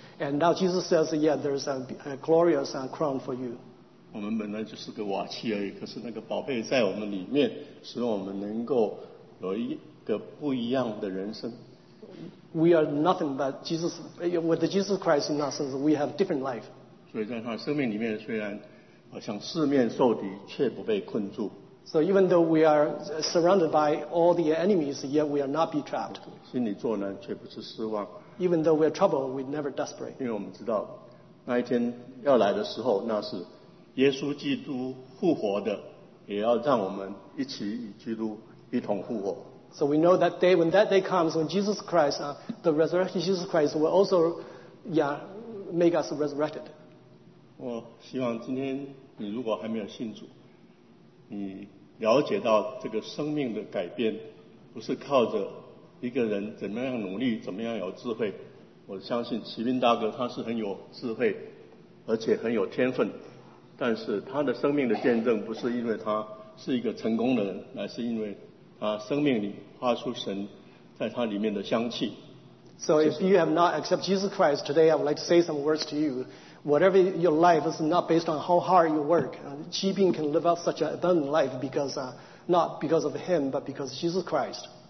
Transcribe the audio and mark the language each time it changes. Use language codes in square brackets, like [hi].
[en] And now Jesus says, yeah, there's a glorious crown for you. [zh] 我们本来就是个瓦器而已，可是那个宝贝在我们里面，使我们能够有一个不一样的人生。 [en] We are nothing but Jesus. With Jesus Christ in us, we have different life. [zh] 所以在他生命里面，虽然像四面受敌却不被困住。 [en] So even though we are surrounded by all the enemies, yet we are not be trapped. [zh] 心里作难却不是失望。 [en] Even though we are troubled, we're never desperate. [zh] 因为我们知道那一天要来的时候，那是耶稣基督复活的，也要让我们一起与基督一同复活。 [en] So we know that day, when that day comes, when Jesus Christ, the resurrected Jesus Christ will also, yeah, make us resurrected. [zh] 我希望今天你如果还没有信主，你了解到这个生命的改变不是靠着一个人怎么样努力，怎么样有智慧。我相信齐斌大哥他是很有智慧而且很有天分，但是他的生命的见证不是因为他是一个成功的人，乃是因为他生命里发出神在他里面的香气。 [en] So if you have not accepted Jesus Christ today, I would like to say some words to youWhatever your life is not based on how hard you work, Qi Bing can live out such an abundant life because, not because of him, but because of Jesus Christ.